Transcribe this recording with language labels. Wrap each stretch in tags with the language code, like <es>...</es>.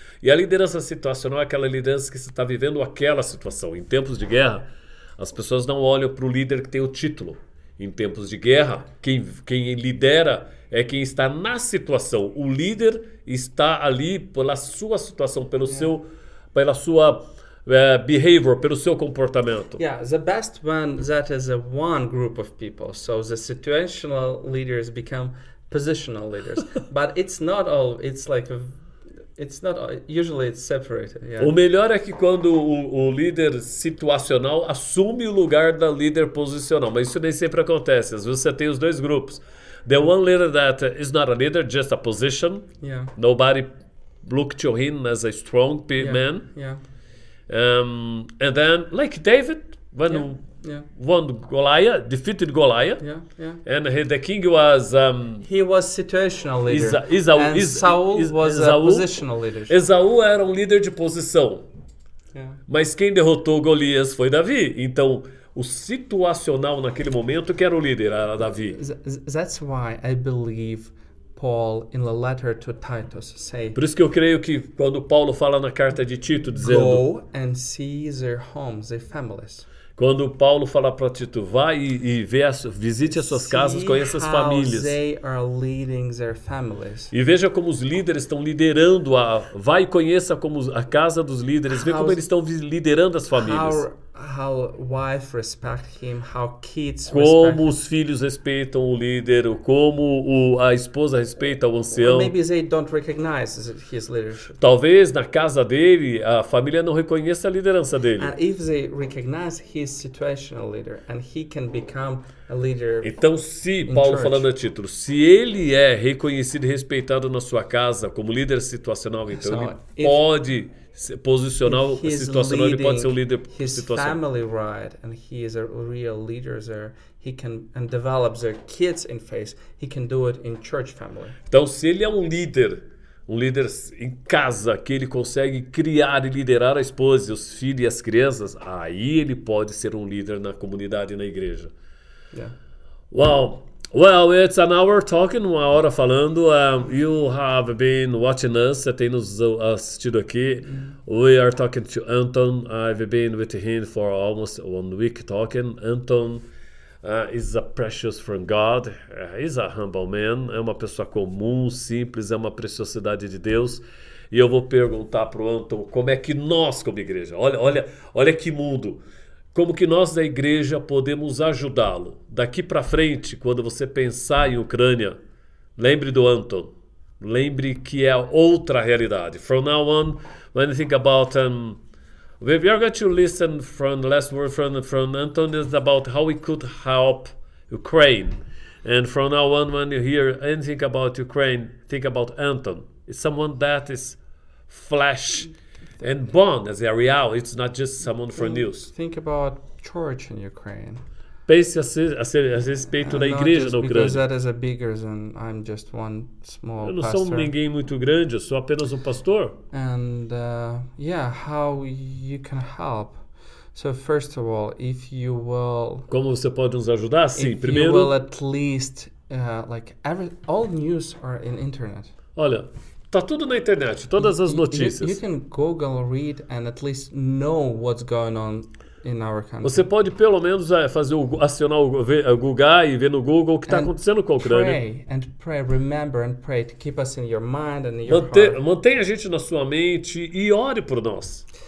<pt>E a liderança situacional é aquela liderança que você está vivendo aquela situação em tempos de guerra. As pessoas não olham para o líder que tem o título. Em tempos de guerra, quem lidera é quem está na situação. O líder está ali pela sua situação, pelo seu, pela sua behavior, pelo seu comportamento.</pt> <en>Yeah, the best one that is a one group of people. So the situational leaders become positional leaders. But it's not all, it's like a, it's not usually it's separated. Yeah.</en> <pt>O melhor é que quando o líder situacional assume o lugar da líder posicional, mas isso nem sempre acontece. Às vezes você tem os dois grupos.</pt> <en>The one leader that is not a leader, just a position. Yeah. Nobody looked to him as a strong man. Yeah. And then like David when won Goliath, defeated Goliath. Yeah. Yeah. And he, the king was he was situational leader. Saul was a positional leader.</en> <pt>Esaú era um líder de posição.</pt> <en>Yeah.</en> <pt>Mas quem derrotou Golias foi Davi. Então o situacional naquele momento que era o líder era Davi.</pt> <en>That's why I believe Paul in the letter to Titus say.</en> <pt>Por isso que eu creio que quando Paulo fala na carta de Tito dizendo</pt> <en>go and see their homes, their families.</en> <pt>Quando Paulo fala para Tito, vai e vê as, visite as suas casas, conheça as famílias.</pt> <en>They are leading their families.</en> <pt>E veja como os líderes estão liderando a, vai e conheça como a casa dos líderes, vê como eles estão liderando as famílias.</pt> <en>How wife respect him, how kids respect him.</en> <pt>Como os filhos respeitam o líder, como o, a esposa respeita o ancião.</pt> <en>Well, maybe they don't recognize his leadership.</en> <pt>Talvez na casa dele a família não reconheça a liderança dele.</pt> <en>And if they recognize his situational leader and he can become a leader.</en> <pt>Então se Paulo falando a título, se ele é reconhecido e respeitado na sua casa como líder situacional, então</pt> <en>so</en> <pt>ele pode posicional, situacional, ele pode ser um líder situacional.</pt> <en>His family right, and he is a real leader there. He can and develop their kids in faith. He can do it in church family.</en> <pt>Então, se ele é um líder em casa, que ele consegue criar e liderar a esposa, os filhos e as crianças, aí ele pode ser um líder na comunidade e na igreja.</pt> <en>Yeah. Wow. Well, it's an hour talking,</en> <pt>uma hora falando.</pt> <en>You have been watching us,</en> <pt>você tem nos assistido aqui.</pt> <en>We are talking to Anton. I've been with him for almost 1 week talking. Anton is a precious from God. He's a humble man.</en> <pt>É uma pessoa comum, simples, é uma preciosidade de Deus. E eu vou perguntar para o Anton como é que nós, como igreja, olha que mundo. Como que nós da igreja podemos ajudá-lo? Daqui para frente, quando você pensar em Ucrânia, lembre do Anton. Lembre que é outra realidade.</pt> <en>From now on, when you think about we are going to listen from the last word from Anton is about how we could help Ukraine. And from now on, when you hear anything about Ukraine, think about Anton. It's someone that is flesh. And born as a real, it's not just someone for news. Think about church in Ukraine.</en> <pt>Pense a respeito da igreja na Ucrânia.</pt> <en>Because that is a bigger than I'm just one small pastor.</en> <pt>Eu não sou ninguém muito grande, eu sou apenas pastor.</pt> <en>And how you can help. So first of all, if you will...</en> <pt>Como você pode nos ajudar? Sim, primeiro...</pt> <en>If you will at least... all news are in internet.</en> <pt>Olha... Tá tudo na internet, todas as notícias.</pt> <en>You can Google, read and at least know what's going on in our country.</en> <pt>Você pode pelo menos fazer o acionar o Google e ver no Google o que está acontecendo com a Ucrânia.</pt> <en>Pray and pray, remember and pray to keep us in your mind and in your heart.</en> <pt>Mantenha a gente na sua mente e ore por nós.</pt>